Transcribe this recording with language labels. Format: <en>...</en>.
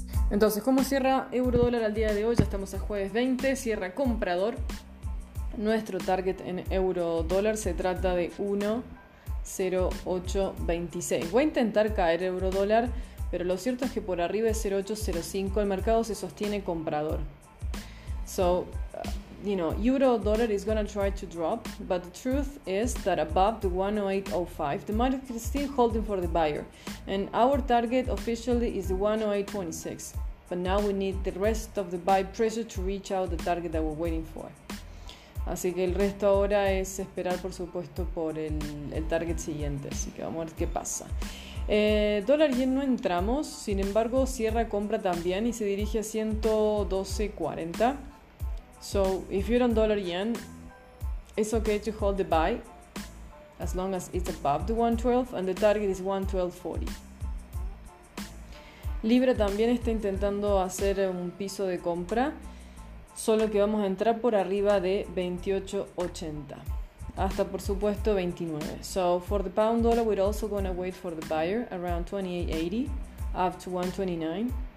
<es>Entonces, ¿cómo cierra euro dólar al día de hoy? Ya estamos a jueves 20, cierra comprador. Nuestro target en euro dólar se trata de 1.0826. Voy a intentar caer euro dólar, pero lo cierto es que por arriba de 0.805 el mercado se sostiene comprador.</es> <en>So, you know, euro dollar is going to try to drop, but the truth is that above the 1.0805, the market is still holding for the buyer. And our target officially is the 1.0826. But now we need the rest of the buy pressure to reach out the target that we're waiting for.</en> <es>Así que el resto ahora es esperar, por supuesto, por el target siguiente. Así que vamos a ver qué pasa. Dólar yen no entramos. Sin embargo, cierra compra también y se dirige a 112.40.</es> <en>So, if you're on dollar yen, it's okay to hold the buy as long as it's above the 112 and the target is 112.40.</en> <es>Libra también está intentando hacer un piso de compra, solo que vamos a entrar por arriba de 28.80 hasta, por supuesto, 29.</es> <en>So, for the pound dollar, we're also going to wait for the buyer around 28.80 up to 129.</en>